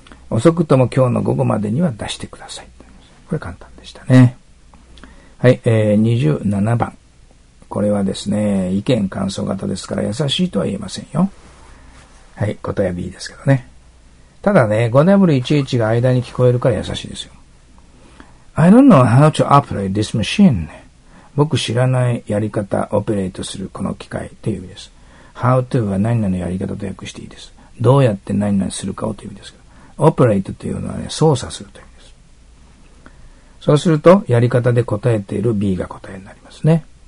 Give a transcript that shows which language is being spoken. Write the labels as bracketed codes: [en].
[ja] 遅くとも今日の午後までには出してください。これ簡単でしたね。はい、27番。これはですね、意見感想型ですから優しいとは言えませんよ。はい、答えは B ですけどね。ただね、5W1H が間に聞こえるから優しいですよ。 [en] I don't know how to operate this machine. [ja] 僕知らないやり方、オペレートするこの機械っていう意味です。 How to は何々のやり方と訳していいです。どうやって何々するかをという意味ですけど、operate というのはね、操作するという意味です。そうすると、やり方で答えている B が答えになりますね。